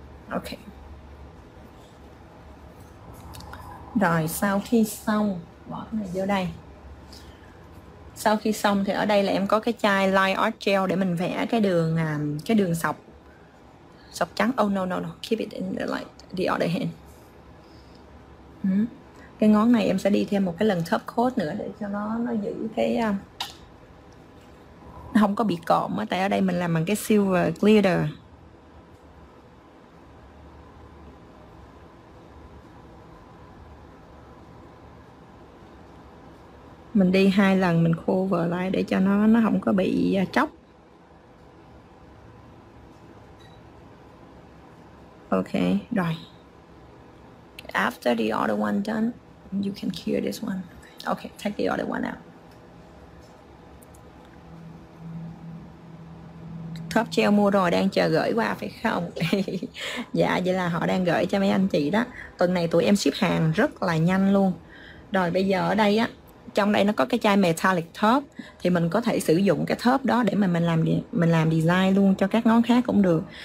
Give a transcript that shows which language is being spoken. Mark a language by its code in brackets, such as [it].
[en] Ok. [vi] Rồi sau khi xong, bỏ cái này vô đây. Sau khi xong thì ở đây là em có cái chai light art gel để mình vẽ cái đường sọc. Sọc trắng. [en] Oh no no no, keep it in the light, the other hand. [vi] Cái ngón này em sẽ đi thêm một cái lần top coat nữa để cho nó giữ cái không có bị cộm á, tại ở đây mình làm bằng cái silver glitter. Mình đi hai lần mình cover lại để cho nó không có bị tróc. Ok, rồi. [en] After the other one done, you can cure this one. Okay, take the other one out. [vi] Top gel mua rồi, đang chờ gửi qua phải không? Dạ, vậy là họ đang gửi cho mấy anh chị đó. Tuần này tụi em ship hàng rất là nhanh luôn. Rồi bây giờ ở đây á, trong đây nó có cái chai metallic top, thì mình có thể sử dụng cái top đó để mà mình làm design luôn cho các ngón khác cũng được.